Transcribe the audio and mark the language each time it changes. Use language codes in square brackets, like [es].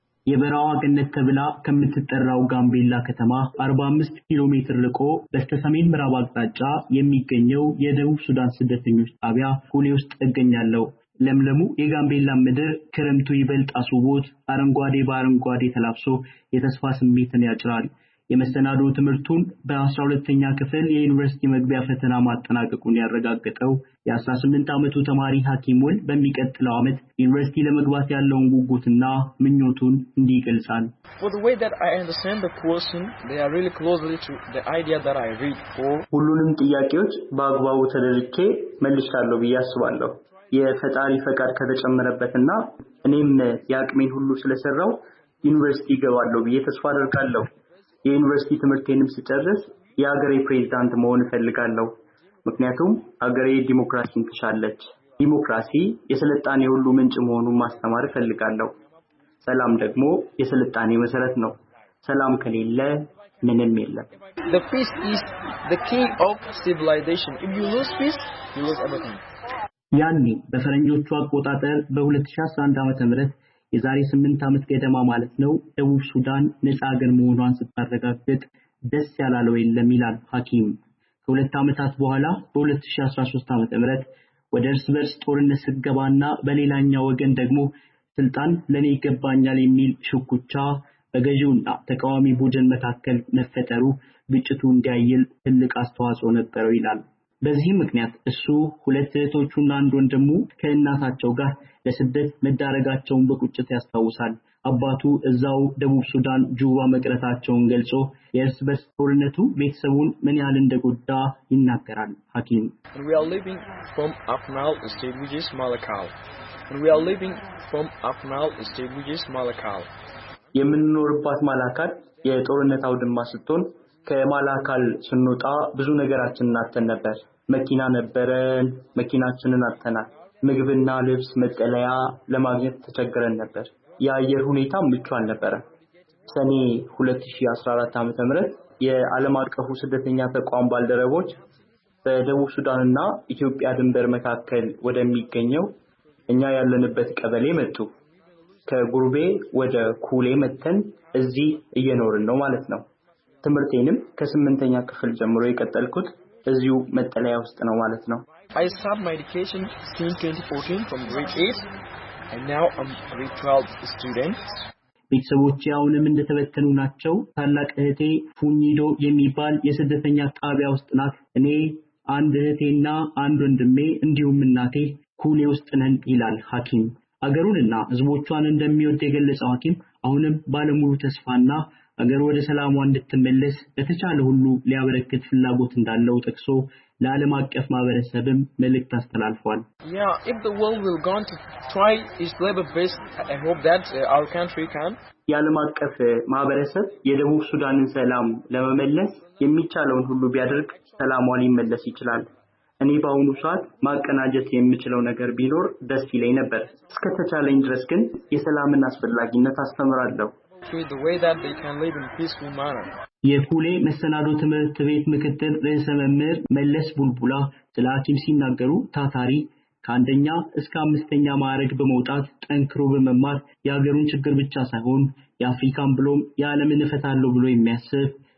[am] የበራዋ ገነት ተብላ ከምትጠራው ጋምቤላ ከተማ 45 ኪሎ ሜትር ርቆ በስተሰሜን ምዕራብ አቅጣጫ የሚገኘው የደቡብ ሱዳን ስደተኞች ጣቢያ ሁሌ ውስጥ እገኛለሁ። ለምለሙ የጋምቤላ ምድር ክረምቱ ይበልጥ አስውቦት አረንጓዴ በአረንጓዴ ተላብሶ የተስፋ ስሜትን ያጭራል። የመሰናዶ ትምህርቱን በ12ኛ ክፍል የዩኒቨርሲቲ መግቢያ ፈተና ማጠናቀቁን ያረጋገጠው የ18 ዓመቱ ተማሪ ሐኪሙን በሚቀጥለው ዓመት ዩኒቨርሲቲ ለመግባት ያለውን ጉጉትና ምኞቱን እንዲገልጻል። [en] For the way that I understand the question, they are really closely to the idea that I read for. [am] ሁሉንም ጥያቄዎች በአግባቡ ተደርድሬ መልሻለሁ ብያስባለሁ። የፈጣሪ ፈቃድ ከተጨመረበትና እኔም ያቅሜን ሁሉ ስለሰራው ዩኒቨርሲቲ ገባለሁ ብዬ ተስፋ አደርጋለሁ። የዩኒቨርሲቲ ትምህርቴንም ስጨርስ የሀገሬ ፕሬዝዳንት መሆን እፈልጋለሁ። ምክንያቱም ሀገሬ ዲሞክራሲን ትሻለች። ዲሞክራሲ የስልጣኔ ሁሉ ምንጭ መሆኑን ማስተማር እፈልጋለሁ። ሰላም ደግሞ የስልጣኔ መሰረት ነው። ሰላም ከሌለ ምንም የለም። [en] The peace is the key of civilization. If you lose peace, you lose everything. [am] ያኒ በፈረንጆቹ አቆጣጠር በ2011 ዓመተ ምህረት የዛሬ 8 ዓመት ገደማ ማለት ነው ደቡብ ሱዳን ነጻ አገር መሆኗን ስታረጋግጥ ደስ ያላለው የለም ይላል ሐኪም። ከሁለት ዓመታት በኋላ በ2013 ዓመተ ምህረት ወደ እርስ በርስ ጦርነት ስገባና በሌላኛው ወገን ደግሞ ስልጣን ለኔ ይገባኛል የሚል ሽኩቻ በገዢውና ተቃዋሚ ቡድን መካከል መፈጠሩ ግጭቱ እንዲያይል ትልቅ አስተዋጽኦ ነበረው ይላል። በዚህ ምክንያት እሱ ሁለት እህቶቹና አንድ ወንድሙ ከእናታቸው ጋር ለስደት መዳረጋቸውን በቁጭት ያስታውሳል። አባቱ እዛው ደቡብ ሱዳን ጁባ መቅረታቸውን ገልጾ የእርስ በርስ ጦርነቱ ቤተሰቡን ምን ያህል እንደጎዳ ይናገራል ሐኪም። [en] We are living from Afnal state which is Malakal. We are living from Afnal state which is Malakal. [am] የምንኖርባት ማላካል የጦርነት አውድማ ስትሆን ከማላካል ስንወጣ ብዙ ነገራችን እናተን ነበር። መኪና ነበረን፣ መኪናችንን አጥተናል። ምግብና ልብስ መጠለያ ለማግኘት ተቸግረን ነበር። የአየር ሁኔታ ምቹ አልነበረ። ሰኔ 2014 ዓመተ ምህረት የዓለም አቀፉ ስደተኛ ተቋም ባልደረቦች በደቡብ ሱዳንና ኢትዮጵያ ድንበር መካከል ወደሚገኘው እኛ ያለንበት ቀበሌ መጡ። ከጉርቤ ወደ ኩሌ መተን እዚህ እየኖርን ነው ማለት ነው። ትምርቴንም ከ8ኛ ክፍል ጀምሮ የቀጠልኩት እዚሁ መጠለያ ውስጥ ነው ማለት ነው። [en] I started my education since 2014 from grade 8 and now I'm a grade 12 student. [am] ቤተሰቦቼ አሁንም እንደተበተኑ ናቸው። ታላቅ እህቴ ፉኒዶ የሚባል የስደተኛ ጣቢያ ውስጥ ናት። እኔ አንድ እህቴና አንድ ወንድሜ እንዲሁም እናቴ ኩሌ ውስጥ ነን ይላል ሐኪም። አገሩንና ህዝቦቿን እንደሚወድ የገለጸው ሐኪም አሁንም ባለሙሉ ተስፋና አገር ወደ ሰላም እንድትመለስ በተቻለ ሁሉ ሊያበረክት ፍላጎት እንዳለው ጠቅሶ ለዓለም አቀፍ ማህበረሰብም መልእክት አስተላልፏል። [en] Yeah, if the world will going to try its level best, I hope that our country can. [am] የዓለም አቀፍ ማህበረሰብ የደቡብ ሱዳንን ሰላም ለመመለስ የሚቻለውን ሁሉ ቢያደርግ ሰላሟ ሊመለስ ይችላል። እኔ በአሁኑ ሰዓት ማቀናጀት የምችለው ነገር ቢኖር ደስ ይለኝ ነበር። እስከ ተቻለኝ ድረስ ግን የሰላምን አስፈላጊነት አስተምራለሁ። [en] through the way that they can live in peaceful manner. [am] የኩሌ መሰናዶ ትምህርት ቤት ምክትል ርዕሰ መምህር መለስ ቡልቡላ ስላችም ሲናገሩ ታታሪ ከአንደኛ እስከ አምስተኛ ማዕረግ በመውጣት ጠንክሮ በመማር የሀገሩን ችግር ብቻ ሳይሆን የአፍሪካን ብሎም የዓለምን እፈታለሁ ብሎ የሚያስብ